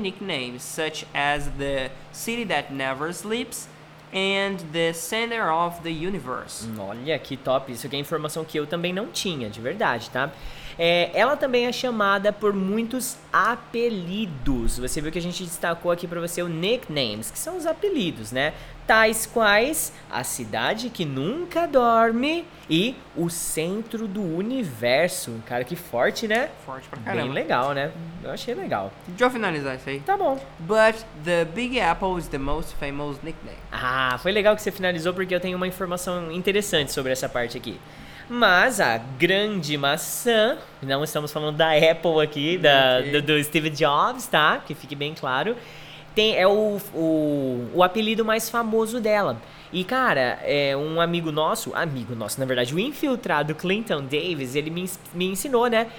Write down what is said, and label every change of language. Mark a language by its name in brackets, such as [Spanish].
[English] nicknames such as the City That Never Sleeps and the Center of the Universe. [Portuguese] Olha que top, isso aqui é informação que eu também não tinha, de verdade, tá? É, ela também é chamada por muitos apelidos. Você viu que a gente destacou aqui para você o nicknames, que são os apelidos, né? Tais quais a cidade que nunca dorme e o centro do universo. Cara, que forte, né? Forte pra caramba. Bem legal, né? Eu achei legal. Deixa eu finalizar isso aí. Tá bom. [English] But the Big Apple is the most famous nickname. [Portuguese] Ah, foi legal que você finalizou porque eu tenho uma informação interessante sobre essa parte aqui. Mas a grande maçã, não estamos falando da Apple aqui, do Steve Jobs, tá? Que fique bem claro. É o apelido mais famoso dela. E, cara, é um amigo nosso, na verdade, o infiltrado Clinton Davis, ele me ensinou, né?